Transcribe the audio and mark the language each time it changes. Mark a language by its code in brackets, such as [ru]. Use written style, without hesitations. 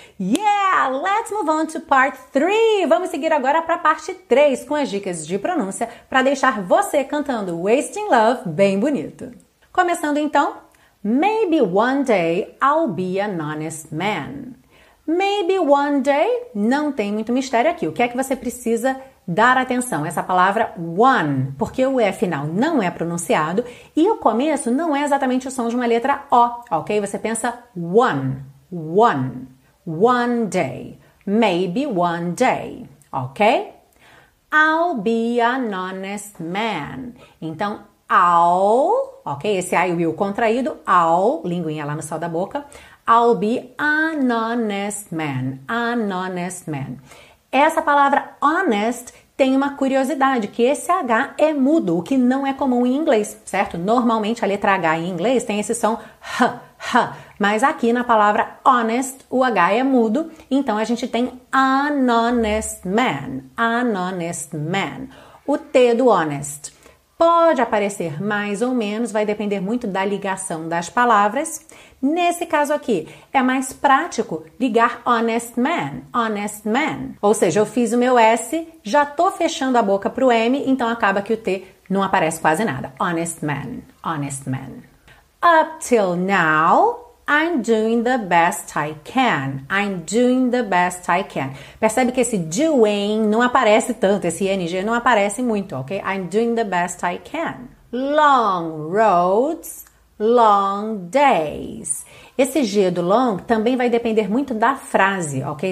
[en] Yeah, let's move on to part 3. [pt] Vamos seguir agora para a parte 3 com as dicas de pronúncia para deixar você cantando Wasting Love bem bonito. Começando então, [en] maybe one day I'll be an honest man. Maybe one day, [pt] não tem muito mistério aqui. O que é que você precisa dar atenção? Essa palavra one, porque o E final não é pronunciado e o começo não é exatamente o som de uma letra O, ok? Você pensa one. [en] One, one day, maybe one day, ok? I'll be an honest man. Então, I'll, ok? [pt] Esse I will contraído, I'll, linguinha lá no céu da boca. [en] I'll be an honest man, an honest man. [pt] Essa palavra honest tem uma curiosidade, que esse H é mudo, o que não é comum em inglês, certo? Normalmente a letra H em inglês tem esse som h, h. Mas aqui na palavra honest, o H é mudo, então a gente tem an honest man, an honest man. O T do honest pode aparecer mais ou menos, vai depender muito da ligação das palavras. Nesse caso aqui, é mais prático ligar honest man, honest man. Ou seja, eu fiz o meu S, já tô fechando a boca pro M, então acaba que o T não aparece quase nada. [en] Honest man, honest man. Up till now, I'm doing the best I can. I'm doing the best I can. [pt] Percebe que esse doing não aparece tanto, esse ing não aparece muito, ok? [en] I'm doing the best I can. Long roads, long days. [pt] Esse G do long também vai depender muito da frase, ok?